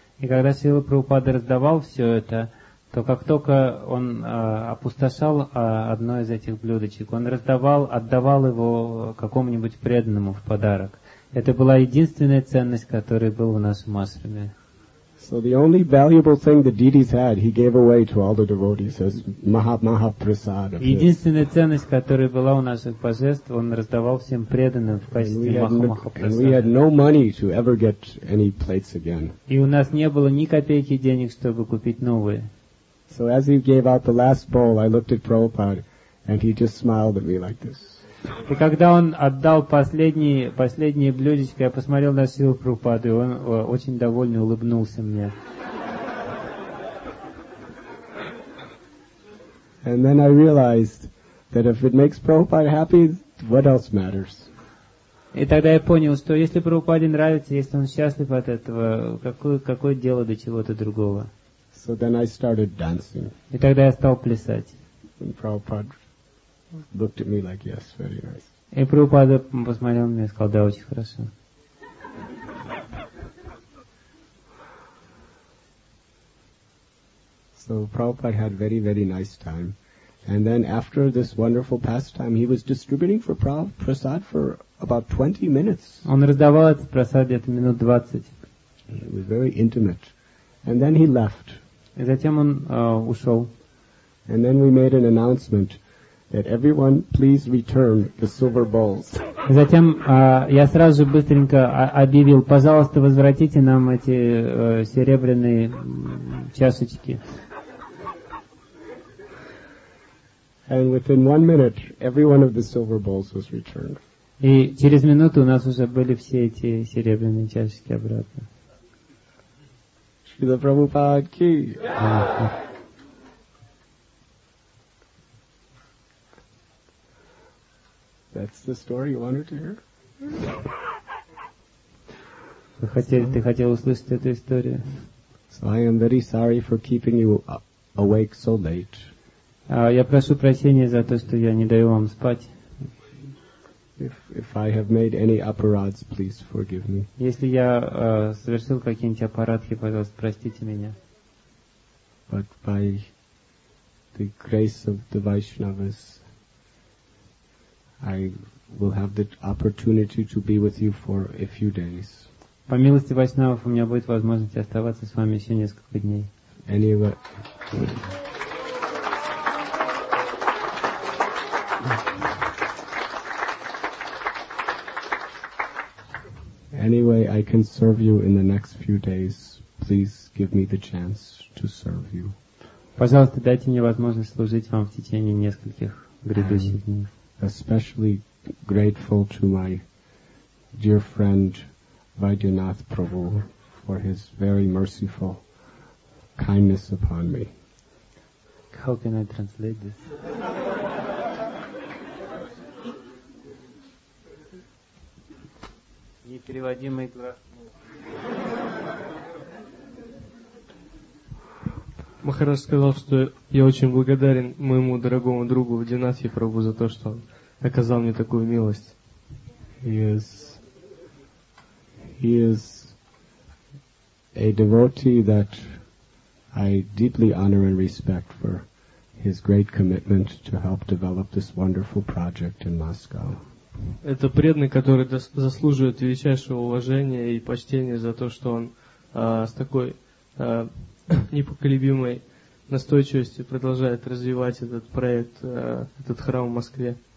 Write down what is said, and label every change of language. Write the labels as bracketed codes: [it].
[ru] И когда Шрила Прабхупада раздавал все это, то как только он опустошал одно из этих блюдочек, он отдавал его какому-нибудь преданному в подарок. Это была единственная ценность, которая была у нас в Ашраме. [en] So the only valuable thing the deities had, he gave away to all the devotees as Mahaprasad. [ru] Единственная ценность, которая была у наших божеств, он раздавал всем преданным в качестве Mahaprasad. [en] And we had no money to ever get any plates again. [ru] И у нас не было ни копейки денег, чтобы купить новые. [en] So as he gave out the last bowl, I looked at Prabhupada, and he just smiled at me like this. [ru] И когда он отдал последнее блюдечко, я посмотрел на Шрилу Прабхупаду, и он очень довольный улыбнулся мне. [en] And then I realized that if it makes Prabhupada happy, what else matters? [ru] И тогда я понял, что если Прабхупаде нравится, если он счастлив от этого, какое дело до чего-то другого? [en] So then I started dancing. [ru] И тогда я стал плясать. [en] And Prabhupada looked at me like, yes, very nice. [ru] И Прабхупада посмотрел на меня и сказал, да, очень хорошо. [en] So Prabhupada had very, very nice time. And then after this wonderful pastime, he was distributing for prasad for about 20 minutes. [ru] Он раздавал этот прасад где-то минут 20. [en] It was very intimate. And then he left. [ru] И затем он ушел. [en] And then we made an announcement that everyone please return the silver bowls. [ru] Затем я сразу же быстренько объявил, пожалуйста, возвратите нам эти серебряные чашечки. [en] And within 1 minute, every one of the silver bowls was returned. [ru] И через минуту у нас уже были все эти серебряные чашечки обратно. Шрила Прабхупада ки. [en] That's the story you wanted to hear? [ru] Вы хотели, ты хотел услышать эту историю? [en] So I am very sorry for keeping you awake so late. [ru] Я прошу прощения за то, что я не даю вам спать. [en] If I have made any apparads, please forgive me. [ru] Если я совершил какие-нибудь аппаратки, пожалуйста, простите меня. [en] But by the grace of the Vaishnavas, I will have the opportunity to be with you for a few days. [ru] По милости Вайшнавов, у меня будет возможность оставаться с вами еще несколько дней. [en] Anyway. Anyway, I can serve you in the next few days. Please give me the chance to serve you. [ru] Пожалуйста, дайте мне возможность служить вам в течение нескольких грядущих дней. [en] Especially grateful to my dear friend Vaidyanath Prabhu for his very merciful kindness upon me. How can I translate this? [ru] Непереводимый глаз. Махарадж сказал, что я очень благодарен моему дорогому другу Вайдьянатхе Прабху за то, что он оказал мне такую милость. [en] He is a devotee that I deeply honor and respect for his great commitment to help develop this wonderful project in Moscow. [ru] Это преданный, который заслуживает величайшего уважения и почтения за то, что он с такой непоколебимой настойчивостью продолжает развивать этот проект, этот храм в Москве.